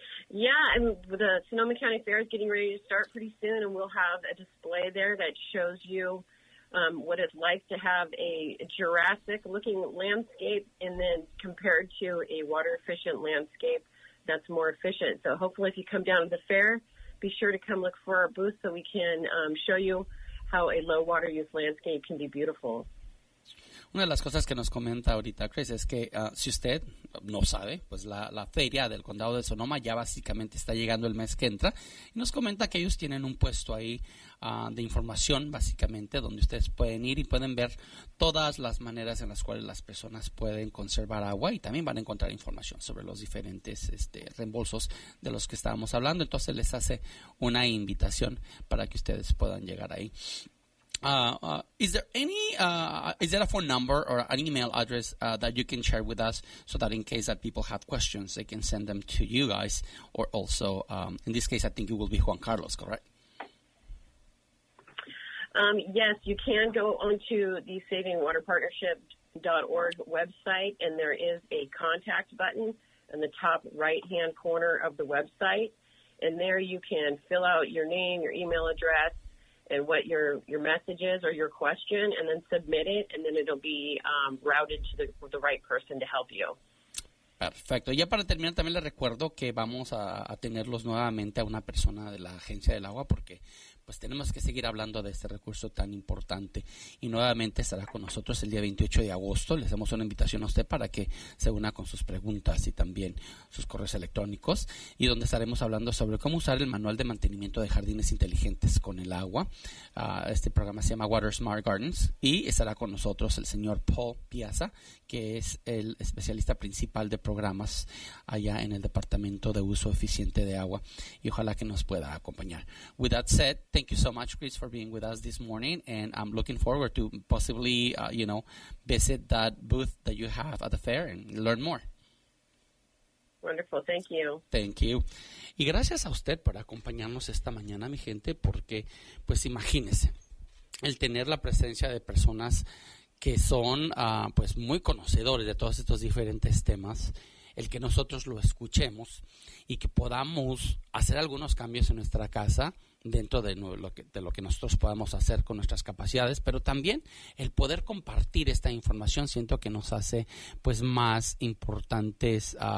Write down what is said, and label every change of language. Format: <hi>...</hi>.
<en>Yeah, the Sonoma County Fair is getting ready to start pretty soon, and we'll have a display there that shows you what it's like to have a Jurassic-looking landscape and then compared to a water-efficient landscape that's more efficient. So hopefully if you come down to the fair, be sure to come look for our booth so we can show you how a low-water use landscape can be beautiful.</en> <es>Una de las cosas que nos comenta ahorita Chris es que si usted no sabe, pues la feria del condado de Sonoma ya básicamente está llegando el mes que entra. Y nos comenta que ellos tienen un puesto ahí de información, básicamente, donde ustedes pueden ir y pueden ver todas las maneras en las cuales las personas pueden conservar agua, y también van a encontrar información sobre los diferentes reembolsos de los que estábamos hablando. Entonces les hace una invitación para que ustedes puedan llegar ahí.</es> <en>Is there a phone number or an email address that you can share with us so that in case that people have questions, they can send them to you guys, or also, in this case, I think it will be Juan Carlos, correct? Yes, you can go onto the savingwaterpartnership.org website, and there is a contact button in the top right-hand corner of the website, and there you can fill out your name, your email address, and what your message is or your question, and then submit it, and then it'll be routed to the right person to help you.</en> <es>Perfecto. Ya para terminar, también les recuerdo que vamos a tenerlos nuevamente a una persona de la Agencia del Agua, porque pues tenemos que seguir hablando de este recurso tan importante. Y nuevamente estará con nosotros el día 28 de agosto. Les hacemos una invitación a usted para que se una con sus preguntas y también sus correos electrónicos. Y donde estaremos hablando sobre cómo usar el manual de mantenimiento de jardines inteligentes con el agua. Este programa se llama Water Smart Gardens. Y estará con nosotros el señor Paul Piazza, que es el especialista principal de programas allá en el Departamento de Uso Eficiente de Agua. Y ojalá que nos pueda acompañar.</es> <en>With that said, thank you so much, Chris, for being with us this morning, and I'm looking forward to possibly, visit that booth that you have at the fair and learn more. Wonderful. Thank you. Thank you.</en> <es>Y gracias a usted por acompañarnos esta mañana, mi gente, porque, pues, imagínese, el tener la presencia de personas que son, pues, muy conocedores de todos estos diferentes temas, el que nosotros lo escuchemos y que podamos hacer algunos cambios en nuestra casa, dentro de lo que nosotros podamos hacer con nuestras capacidades, pero también el poder compartir esta información, siento que nos hace pues más importantes,</es>